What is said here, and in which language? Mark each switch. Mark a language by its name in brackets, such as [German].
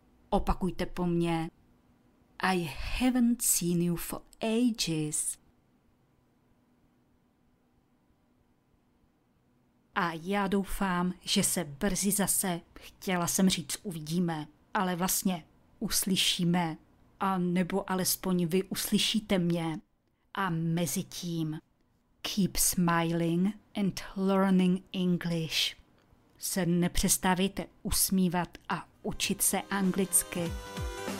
[Czech] Opakujte po mně. [English] I haven't seen you for ages. [Czech] A já doufám, že se brzy zase, chtěla jsem říct, uvidíme, ale vlastně uslyšíme, a nebo alespoň vy uslyšíte mě. A mezi tím, [English] keep smiling and learning English. [Czech] Se nepřestávejte usmívat a učit se anglicky.